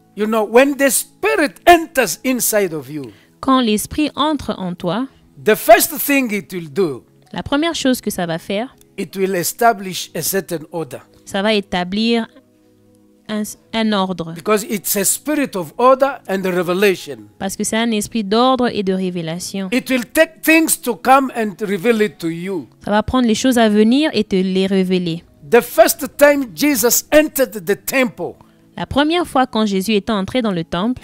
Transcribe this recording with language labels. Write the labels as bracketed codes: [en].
[en] You know, when the Spirit enters inside of you, [fr] quand l'Esprit entre en toi, [en] the first thing it will do, [fr] la première chose que ça va faire, [en] it will establish a certain order. [fr] Ça va établir un ordre. [en] Because it's a spirit of order and a revelation. [fr] Parce que c'est un esprit d'ordre et de révélation. [en] It will take things to come and reveal it to you. [fr] Ça va prendre les choses à venir et te les révéler. [en] The first time Jesus entered the temple, [fr] la première fois quand Jésus était entré dans le temple,